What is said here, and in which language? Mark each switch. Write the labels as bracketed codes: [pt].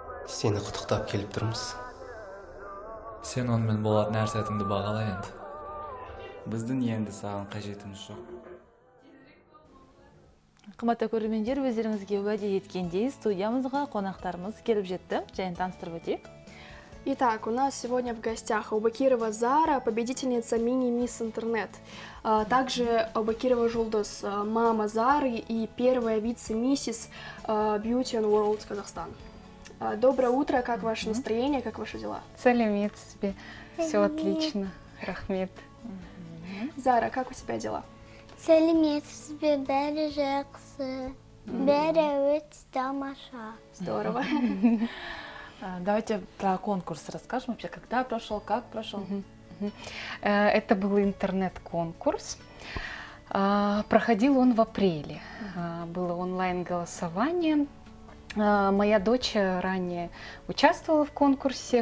[kk] Сені құтықтап келіп тұрмыз. Сен онымен болатын әр сәтімді бағалай енді. Біздің енді саған қажетіміз жоқ. Қымбатты көрермендер, өздеріңізге уәде еткендей студиямызға қонақтарымыз келіп жетті. Жайын таныстырып өтейік. [ru] Итак, у нас сегодня в гостях Аубакирова Зара, победительница мини-мисс интернет. Также Аубакирова Жулдос, мама Зары и первая вице-миссис Beauty and World Казахстан. Доброе утро, как ваше настроение, как ваши дела? [kk] Салемет себе, [ru] все отлично, рахмет. Зара, как у тебя дела? [kk] Салемет себе, бәрі жақсы, бәрі өте тамаша. [ru] Здорово. Давайте про конкурс расскажем вообще, когда прошел, как прошел. Это был интернет-конкурс. Проходил он в апреле. Было онлайн-голосование. Моя дочь ранее участвовала в конкурсе.